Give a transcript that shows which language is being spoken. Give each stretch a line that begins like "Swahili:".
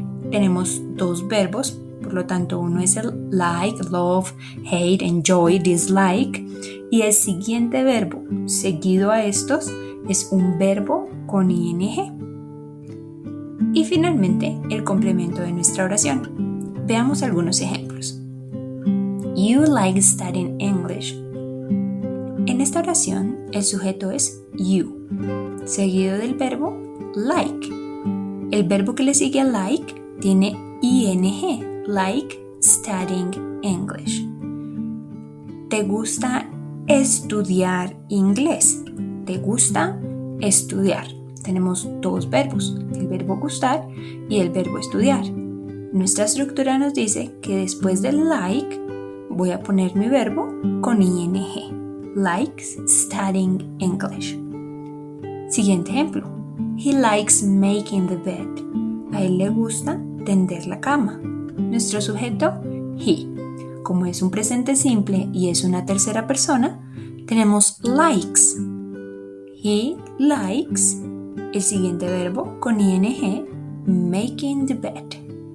Spanish: Tenemos dos verbos, por lo tanto uno es el like, love, hate, enjoy, dislike. Y el siguiente verbo seguido a estos es un verbo con ing. Y finalmente, el complemento de nuestra oración. Veamos algunos ejemplos.
English: You like studying English.
Spanish: En esta oración, el sujeto es you, seguido del verbo like. El verbo que le sigue a like tiene ing,
English: like studying English.
Spanish: ¿Te gusta estudiar inglés? ¿Te gusta estudiar? Tenemos dos verbos, el verbo gustar y el verbo estudiar. Nuestra estructura nos dice que después del like voy a poner mi verbo con ing.
English: Likes studying English.
Spanish: Siguiente ejemplo.
English: He likes making the bed.
Spanish: A él le gusta tender la cama. Nuestro sujeto, he. Como es un presente simple y es una tercera persona, tenemos likes.
English: He likes
Spanish: el siguiente verbo con ing,
English: making the bed.